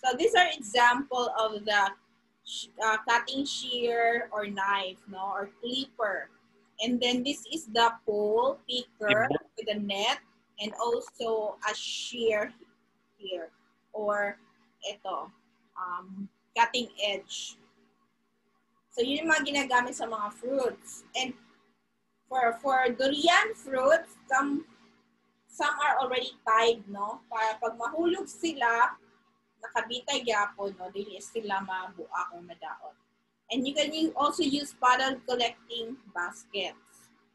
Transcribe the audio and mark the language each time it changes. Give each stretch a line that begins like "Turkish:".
English: So these are example of the cutting shear or knife, no, or clipper. And then this is the pole picker with a net and also a shear here or ito, cutting edge.
Filipino: So yun yung mga ginagamit sa mga fruits.
English: And for durian fruits, some are already tied, no?
Cebuano: Para pag mahulog sila, nakabitay gyapon, no? Dili sila mabuak kung madaon.
English: And you can also use bottle collecting baskets.